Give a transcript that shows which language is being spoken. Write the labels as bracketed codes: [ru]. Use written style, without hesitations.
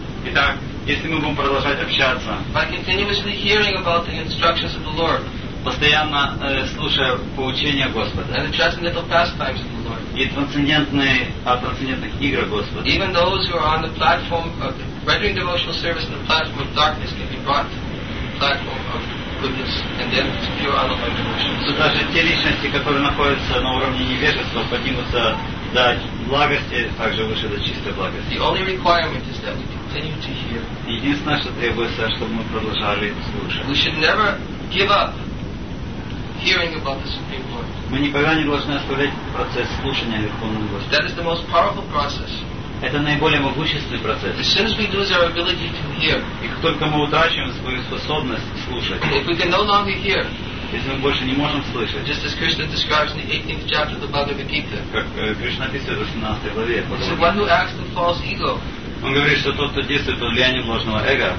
[ru] Итак, если мы будем продолжать общаться, [en] by continuously hearing about the instructions of the Lord, [ru] постоянно слушая поучения Господа, [en] and the transcendental pastimes of the Lord, [ru] и трансцендентных игр Господа, [en] even those who are on the platform of rendering devotional service on the platform of darkness can be brought to the platform of goodness and then to pure unalloyed devotion. [ru] So даже те личности, которые находятся на уровне невежества, поднимутся до благости, также выше до чистой благости. [en] The only requirement is that we continue to hear. [ru] Единственное, что требуется, чтобы мы продолжали слушать. [en] We should never give up hearing about the Supreme Lord. [ru] Мы никогда не должны оставлять процесс слушания Верховного Господа. [en] That is the most powerful process. [ru] Это наиболее могущественный процесс. [en] As soon as we lose our ability to hear, [ru] и как только мы утрачиваем свою способность слушать, [en] if we can no longer hear, [ru] если мы больше не можем слышать, [en] just as Krishna describes in the 18th chapter of the Bhagavad Gita, [ru] как Кришна описывает в 18 главе, [en] the one who acts with false ego, [ru] он говорит, что тот, кто действует под влиянием ложного эго,